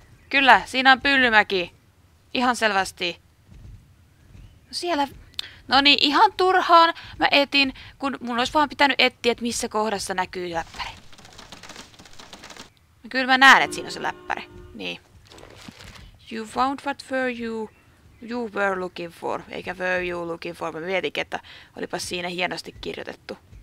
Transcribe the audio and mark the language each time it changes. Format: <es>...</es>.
<fi>Kyllä, siinä on pyllymäki. Ihan selvästi. No siellä. No niin, ihan turhaan mä etin, kun mun olisi vaan pitänyt etsiä, että missä kohdassa näkyy läppäri. No kyllä mä näen, että siinä on se läppäri. Niin.</fi> <en>You found what were you were looking for.</en> <fi>Eikä</fi> <en>were you looking for.</en> <fi>Mä mietinkin, että olipa siinä hienosti kirjoitettu.</fi>